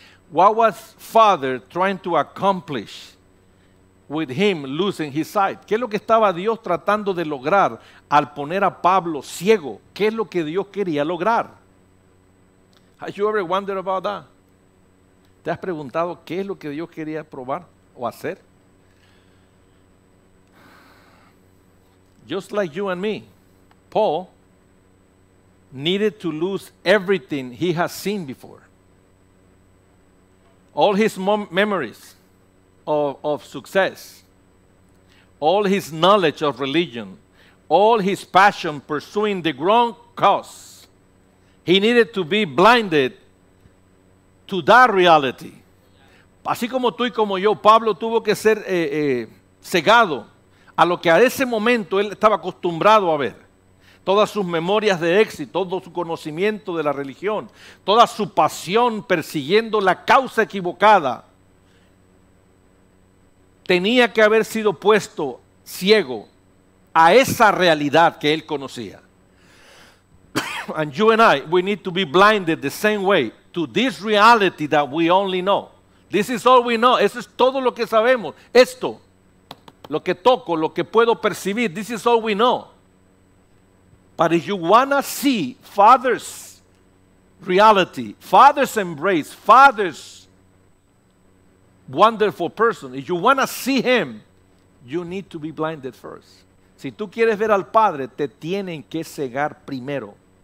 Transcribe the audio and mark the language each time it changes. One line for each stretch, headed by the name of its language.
English: What was Father trying to accomplish with him losing his sight?
Spanish: ¿Qué es lo que estaba Dios tratando de lograr al poner a Pablo ciego? ¿Qué es lo que Dios quería lograr?
English: Have you ever wondered about that?
Spanish: ¿Te has preguntado qué es lo que Dios quería probar o hacer?
English: Just like you and me, Paul needed to lose everything he has seen before. All his memories of success, all his knowledge of religion, all his passion pursuing the wrong cause. He needed to be blinded to that reality.
Spanish: Así como tú y como yo, Pablo tuvo que ser cegado a lo que a ese momento él estaba acostumbrado a ver. Todas sus memorias de éxito, todo su conocimiento de la religión, toda su pasión persiguiendo la causa equivocada, tenía que haber sido puesto ciego a esa realidad que él conocía.
English: And you and I, we need to be blinded the same way to this reality that we only know. This is all we know.
Spanish: Eso es todo lo que sabemos. Esto, lo que toco, lo que puedo percibir,
English: this is all we know. But if you want to see Father's reality, Father's embrace, Father's wonderful person, if you want to see Him, you need to be blinded first.
Spanish: Si tú quieres ver al Padre, te tienen que cegar primero.